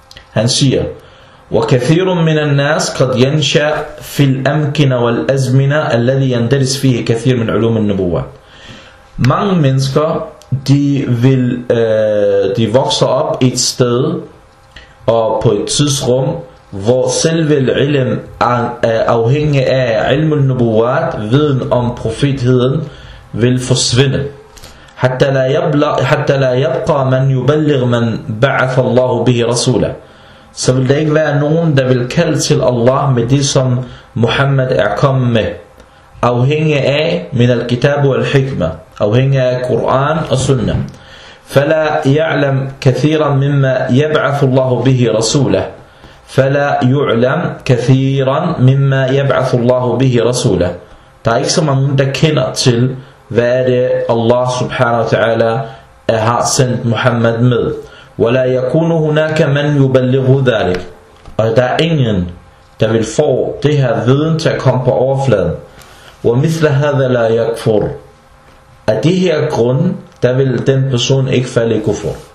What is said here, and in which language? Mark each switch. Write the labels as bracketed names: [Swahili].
[Danish] Han siger, [Arabic] وَكَثِيرٌ مِّنَ النَّاسِ قَدْ يَنْشَأْ فِي الْأَمْكِنَ وَالْأَزْمِنَ الَّذِي يَنْدَرِسْ فِيهِ كَثِيرٌ مِّنْ عُلُومِ النُّبُوَّةِ. [Danish] Mange mennesker, de vokser op et sted og på et tidsrum, hvor selve ilm er afhængig af ilm al-nubuwat, viden om profetheden, vil forsvinde. [Arabic] Hatta la yabqa man yuballigh man ba'atha Allah bihi rasula. [Danish] Så vil der ikke være nogen, der vil kalde til Allah med det, som Muhammad er kommet med. Afhængig af [Arabic] min al-kitab wal-hikma. [Danish] Afhængig af Quran og Sunnah. [Arabic] فلا يعلم كثيرا مما يبعث الله به رسوله فلا يعلم كثيرا مما يبعث الله به رسوله. [Danish] Der er ikke så mange, der kender til, hvad er det Allah subhanahu wa ta'ala har sendt Muhammad med. [Arabic] وَلَا يَكُونُ هُنَاكَ مَنْ يُبَلِّغُ ذَلِكَ. [Danish] Og der er ingen, der vil få det her viden til at komme på overfladen. [Arabic] وَمِثْلَ هَذَا لَا يَكْفُرُ. [Danish] Af de her grunde, der vil den person ikke falde i kufur.